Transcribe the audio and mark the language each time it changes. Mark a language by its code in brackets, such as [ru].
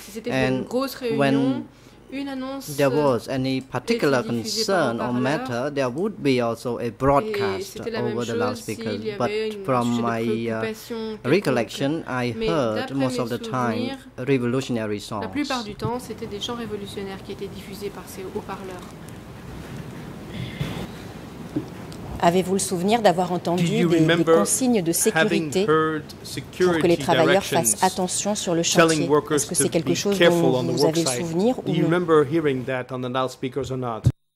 [en] And when there was any particular concern or matter, there would be also a broadcast over the loudspeaker. But from my recollection, I heard most of the time revolutionary songs. [fr] La plupart du temps, c'était des chants révolutionnaires qui étaient diffusés par ces haut-parleurs. Avez-vous le souvenir d'avoir entendu des consignes de sécurité pour que les travailleurs fassent attention sur le chantier? Est-ce que c'est quelque chose dont vous avez le souvenir ou non? [en] Do you remember hearing that on the loudspeakers or not?